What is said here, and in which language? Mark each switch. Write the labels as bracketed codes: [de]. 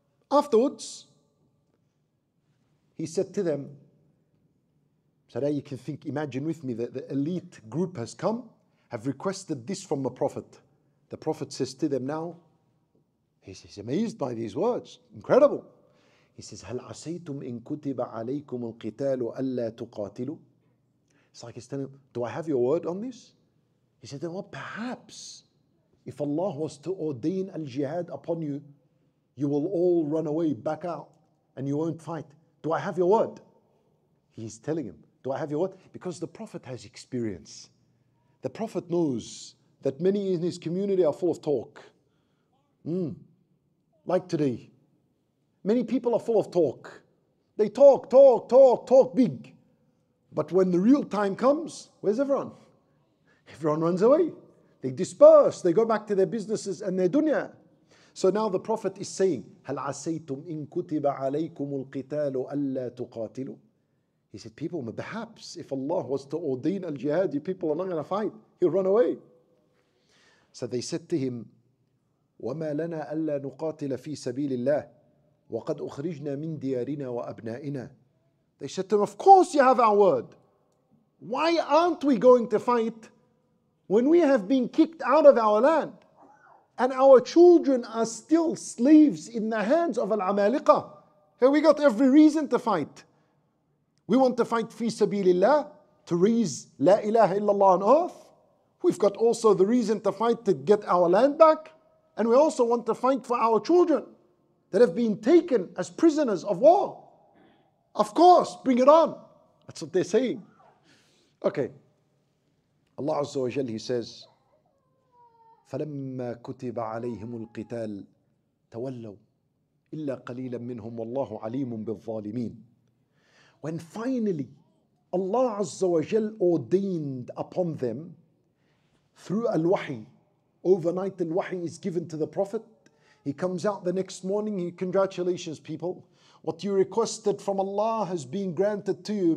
[en] Afterwards, he said to them, so now you can think, imagine with me that the elite group has come, have requested this from the Prophet. The Prophet says to them now, he's amazed by these words. Incredible. He says, [ar] هَلْ عَسَيْتُمْ إِن كُتِبَ عَلَيْكُمُ الْقِتَالُ أَلَّا تُقَاتِلُوا? [en] It's like he's telling, do I have your word on this? He said, well, perhaps if Allah was to ordain al-jihad upon you, you will all run away, back out, and you won't fight. Do I have your word? He's telling him, do I have your word? Because the Prophet has experience. The Prophet knows that many in his community are full of talk. Like today. Many people are full of talk. They talk big. But when the real time comes, where's everyone? Everyone runs away. They disperse. They go back to their businesses and their dunya. So now the Prophet is saying, [ar] هَلْ عَسَيْتُمْ إِن كُتِبَ عَلَيْكُمُ الْقِتَالُ أَلَّا تُقَاتِلُوا. [en] He said, people, perhaps if Allah was to ordain al-jihad, you people are not going to fight. He'll run away. So they said to him, [ar] وَمَا لَنَا أَلَّا نُقَاتِلَ فِي سَبِيلِ اللَّهِ وَقَدْ أُخْرِجْنَا مِنْ دِيَارِنَا وَأَبْنَائِنَا. [en] They said to him, of course you have our word. Why aren't we going to fight when we have been kicked out of our land and our children are still slaves in the hands of al-amaliqa? Hey, we got every reason to fight. We want to fight fi sabilillah to raise la ilaha illallah on earth. We've got also the reason to fight to get our land back. And we also want to fight for our children that have been taken as prisoners of war. Of course, bring it on. That's what they're saying. Okay. Allah Azza wa Jal, he says, [ar] فَلَمَّا كُتِبَ عَلَيْهِمُ الْقِتَالِ تَوَلَّوْا إِلَّا قَلِيلًا مِّنْهُمْ وَاللَّهُ عَلِيمٌ بِالظَّالِمِينَ. [en] When finally Allah Azza wa Jal ordained upon them through al-wahi, overnight al-wahi is given to the Prophet. He comes out the next morning. He congratulations, people. What you requested from Allah has been granted to you.